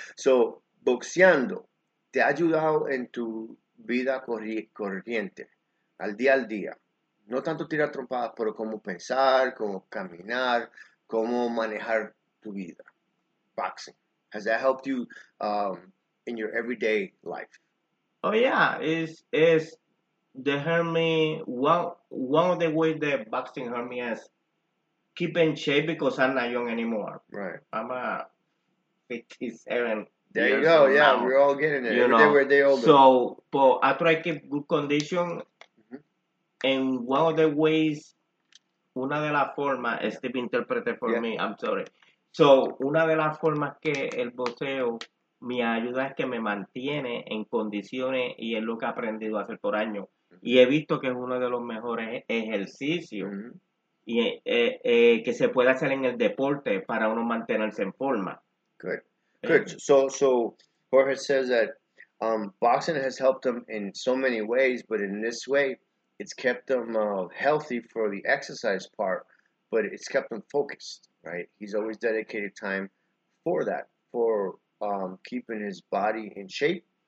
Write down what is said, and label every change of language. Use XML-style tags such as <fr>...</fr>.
<es>So, boxeando, ¿te ha ayudado en tu vida corriente, al día? No tanto tirar trompadas, pero cómo pensar, cómo caminar, cómo manejar tu vida.</es> <en>Boxing. Has that helped you in your everyday life? Oh, yeah. It's... They hurt me. One of the ways that boxing hurt me is keep in shape because I'm not young anymore. Right. I'm a 57. There you go. Yeah, now. We're all getting it. You know. Every day older. So, but after I keep good condition, mm-hmm. and one of the ways,</en> <es>una de las formas,</es> <en>yeah. Steve interpreted for yeah. me, I'm sorry.</en> <es>So, una de las formas que el boxeo me ayuda es que me mantiene en condiciones y es lo que he aprendido a hacer por años. Y he visto que es uno de los mejores ejercicios mm-hmm. y, que se puede hacer en el deporte para uno mantenerse en forma.</es> <en>Good. Good. So Jorge says that boxing has helped him in so many ways, but in this way, it's kept him healthy for the exercise part, but it's kept him focused, right? He's always dedicated time for that, for keeping his body in shape.</en>